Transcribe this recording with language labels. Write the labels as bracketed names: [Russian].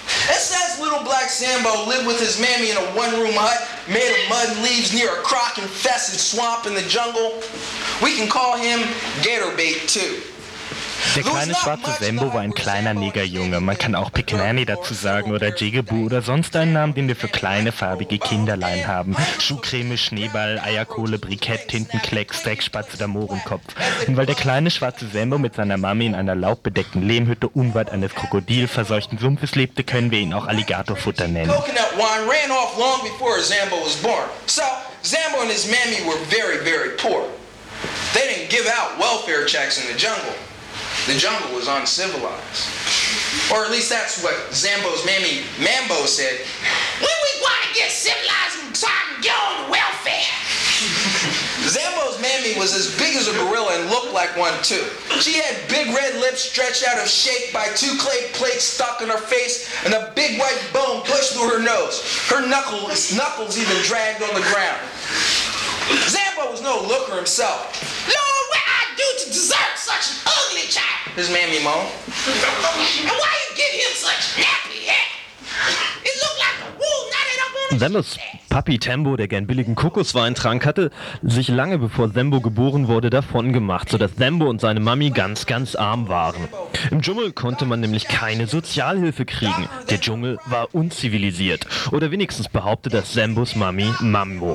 [English] It says little black Sambo lived with his mammy in a one-room hut made of mud and leaves near a croc-infested swamp in the jungle. We can call him Gator Bait, too. [German] Der kleine schwarze Sambo war ein kleiner Negerjunge. Man kann auch Pickaninny dazu sagen oder Jigaboo oder sonst einen Namen, den wir für kleine farbige Kinderlein haben. Schuhcreme, Schneeball, Eierkohle, Brikett, Tintenkleck, Streckspatz oder Mohrenkopf. Und weil der kleine schwarze Sambo mit seiner Mami in einer laubbedeckten Lehmhütte unweit eines krokodilverseuchten Sumpfes lebte, können wir ihn auch Alligatorfutter nennen. [English] Coconut wine ran off long before Sambo was born. So, Sambo and his mammy were very, very poor. They didn't give out welfare checks in the jungle. The jungle was uncivilized. Or at least that's what Zambo's mammy Mambo said. When we want to get civilized, we're talking get on welfare. Zambo's mammy was as big as a gorilla and looked like one too. She had big red lips stretched out of shape by two clay plates stuck in her face and a big white bone pushed through her nose. Her knuckles even dragged on the ground. Zambo was no looker himself. Lord, what I do to deserve such an ugly child? His mammy moaned. And why you give him such nappy hair? It looked like a wool knotted up on his face. [German] Papi Tembo, der gern billigen Kokoswein trank, hatte sich lange bevor Sambo geboren wurde davongemacht, sodass Sambo und seine Mami ganz, ganz arm waren. Im Dschungel konnte man nämlich keine Sozialhilfe kriegen. Der Dschungel war unzivilisiert. Oder wenigstens behauptete das Sambos Mami Mambo.